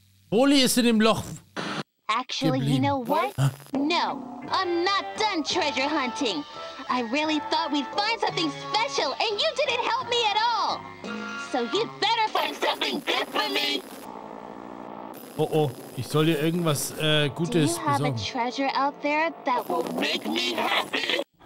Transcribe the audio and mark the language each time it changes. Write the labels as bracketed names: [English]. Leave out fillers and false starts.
[German] Wooly ist in dem Loch. [English] Actually, [German] geblieben. [English] You know what? No, I'm not done treasure hunting. I really thought we'd find something special, and you didn't help me at all. So you'd better find something good for me. [German] Oh, ich soll dir irgendwas Gutes besorgen. [English] Do you have [German] besorgen. [English] A treasure out there that will make me happy?